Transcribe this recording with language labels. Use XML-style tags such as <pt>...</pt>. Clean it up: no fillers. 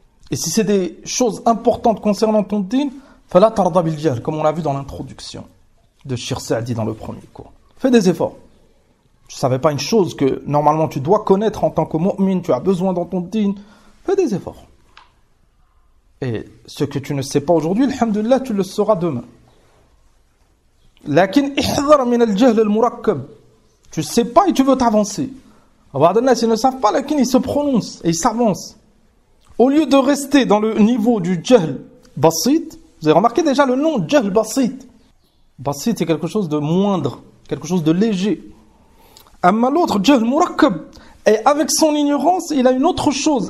<fr>Et si c'est des choses importantes concernant ton din,</fr> <ar>fala tarda bil jahl,</ar> <fr>comme on l'a vu dans l'introduction de Shir Sa'di dans le premier cours. Fais des efforts. Tu ne savais pas une chose que normalement tu dois connaître en tant que mu'min, tu as besoin dans ton din. Fais des efforts. Et ce que tu ne sais pas aujourd'hui, alhamdulillah, tu le sauras demain.</fr> <ar>لكن احذر من الجهل المركب.</ar> <fr>Tu sais pas et tu veux t'avancer.</fr> <ar>بعض الناس</ar> <fr>ils ne savent pas, لكن ils se prononcent et ils s'avancent. Au lieu de rester dans le niveau du جهل بسيط, vous avez remarqué déjà le nom جهل بسيط. بسيط c'est quelque chose de moindre, quelque chose de léger. أما l'autre جهل مركب, et avec son ignorance il a une autre chose.</fr>